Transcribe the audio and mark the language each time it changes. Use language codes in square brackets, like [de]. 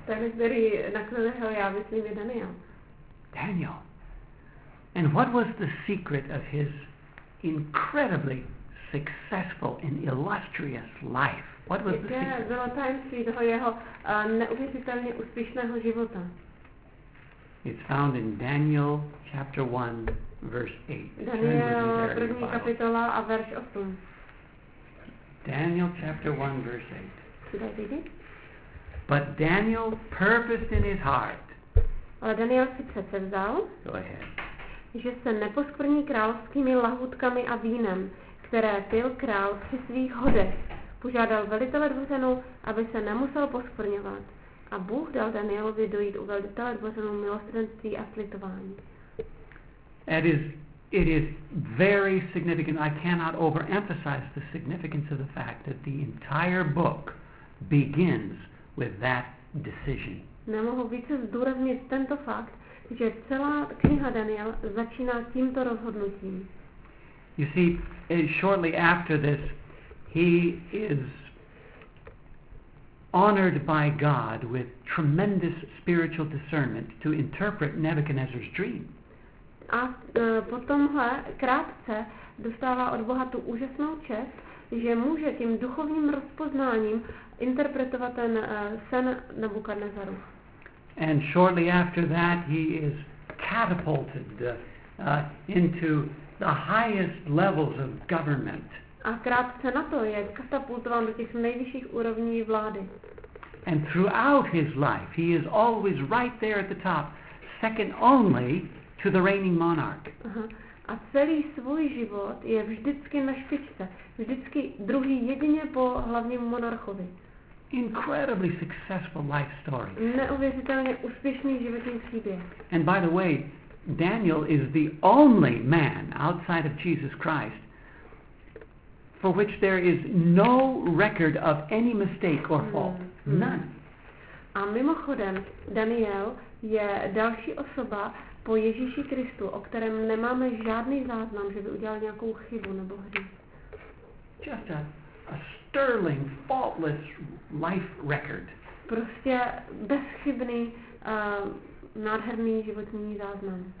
[cs] Ten, který nakonec já myslím, je Daniel. Daniel. [en] And what was the secret of his incredibly successful and illustrious life? What was the secret? It's found in Daniel chapter 1, verse 8. Daniel chapter 1, verse 8. But Daniel purposed in his heart. [cs] Ale Daniel si předsevzal, že se neposkvrní královskými lahůdkami a vínem, které pil král při svých hodech. Požádal velitele dvořanů, aby se nemusel poskvrňovat. A Bůh dal Danielovi dojít u velitele dvořanů milostrenství a slitování. [en] It is very significant. I cannot overemphasize the significance of the fact that the entire book begins with that decision. [cs] Nemohu více zdůraznit tento fakt, že celá kniha Daniel začíná tímto rozhodnutím. [en] You see, shortly after this, he is honored by God with tremendous spiritual discernment to interpret Nebuchadnezzar's dream. [cs] A potomhle krátce dostává od Boha tu úžasnou čest, že může tím duchovním rozpoznáním interpretovat ten sen Nebukadnezaru. [en] And shortly after that, he is catapulted into the highest levels of government. [cs] A krátce na to je katapultován do těch nejvyšších úrovní vlády. [en] And throughout his life, he is always right there at the top, second only to the reigning monarch. [cs] A celý svůj život je vždycky na špičce, vždycky druhý jedině po hlavním monarchovi. [en] Incredibly successful life story. [cs] Neuvěřitelně úspěšný životní příběh. [en] And by the way, Daniel is the only man outside of Jesus Christ for which there is no record of any mistake or fault. None. [cs] A mimochodem, Daniel je další osoba po Ježíši Kristu, o kterém nemáme žádný záznam, že by udělal nějakou chybu nebo hřích. [en] Just a sterling, faultless life record. [cs] Prostě bezchybný, nádherný životní záznam.